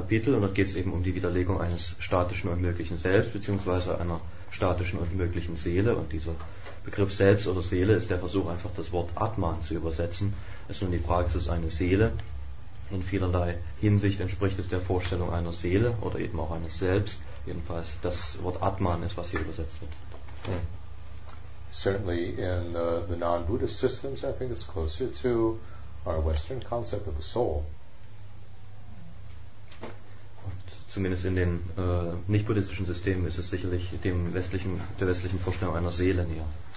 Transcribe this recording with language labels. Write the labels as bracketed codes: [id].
[de] Kapitel, und da geht es eben um die Widerlegung eines statischen und möglichen Selbst, beziehungsweise einer statischen und möglichen Seele. Und dieser Begriff Selbst oder Seele ist der Versuch, einfach das Wort Atman zu übersetzen. Es ist nun die Frage, ist es eine Seele? In vielerlei Hinsicht entspricht es der Vorstellung einer Seele oder eben auch eines Selbst. Jedenfalls das Wort Atman ist, was hier übersetzt wird. Ja. [en] Certainly in the non-Buddhist systems, I think it's closer to our Western concept of a soul. [de] Zumindest in den nicht-buddhistischen Systemen ist es sicherlich der westlichen Vorstellung einer Seele näher.